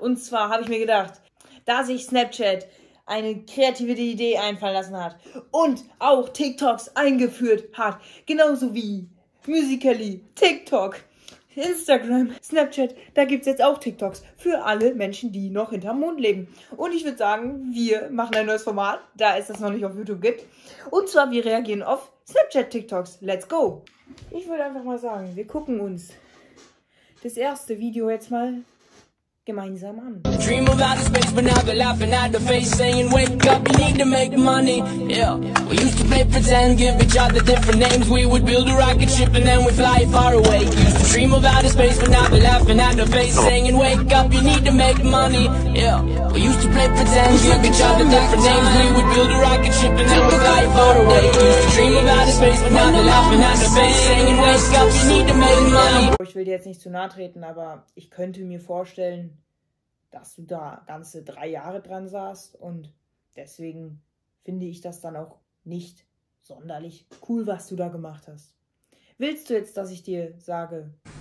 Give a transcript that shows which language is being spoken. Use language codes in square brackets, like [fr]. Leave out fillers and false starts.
[de] Und zwar habe ich mir gedacht, da sich Snapchat eine kreative Idee einfallen lassen hat und auch TikToks eingeführt hat, genauso wie Musical.ly, TikTok, Instagram, Snapchat, da gibt es jetzt auch TikToks für alle Menschen, die noch hinterm Mond leben. Und ich würde sagen, wir machen ein neues Format, da es das noch nicht auf YouTube gibt. Und zwar, wir reagieren auf Snapchat-TikToks. [en] Let's go! [de] Ich würde einfach mal sagen, wir gucken uns das erste Video jetzt mal gemeinsam an. [en] Dream of outer space, but now they're laughing at the face, saying wake up, you need to make money. Yeah, we used to play pretend, give each other different names. We would build a rocket ship and then we'd fly far away. Used to dream of outer space, but now they're laughing at the face, saying wake up, you need to make money. Yeah, we used to play pretend, give each other different names. We would build a rocket ship and then we'd fly far away. Used to dream of outer space, but now they're laughing at the face, saying wake up, you need to make money. [de] Ich will dir jetzt nicht zu nahe treten, aber ich könnte mir vorstellen, dass du da ganze 3 Jahre dran saßt und deswegen finde ich das dann auch nicht sonderlich cool, was du da gemacht hast. Willst du jetzt, dass ich dir sage?